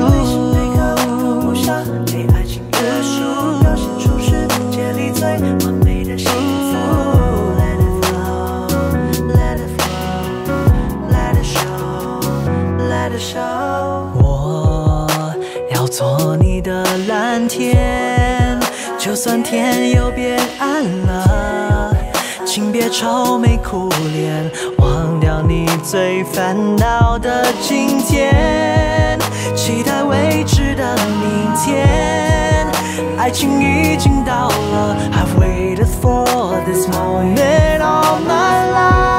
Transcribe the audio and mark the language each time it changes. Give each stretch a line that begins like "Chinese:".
Chinese: 每时每刻都不想被爱情约束，表现出世界里最完美的幸福。
English: Let it flow, let it flow, let it show, let it show。
Chinese: 我要做你的蓝天，就算天又变暗了，请别愁眉苦脸。最烦恼的今天，期待未知的明天。爱情已经到了
English: I've waited for this moment all my life。